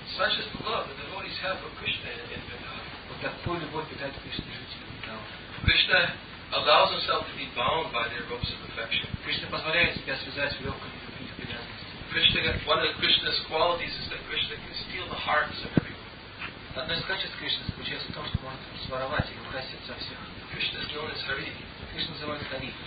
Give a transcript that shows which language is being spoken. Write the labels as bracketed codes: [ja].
[en] Such is the love that devotees have for Krishna in Vrindavan. [ru] Вот такой любовь питает Кришна жителей Вриндавана. [en] Krishna allows himself to be bound by their ropes of affection. [ru] Krishna позволяет себя связать веревками любви и привязанности. [en] Krishna, one of Krishna's qualities is that Krishna can steal the hearts of everyone. [ru] Одно из качеств Кришны заключается в том, что может своровать и украсть сердца всех. [en] Krishna is known as Hari. [ru] Кришна называется Хари.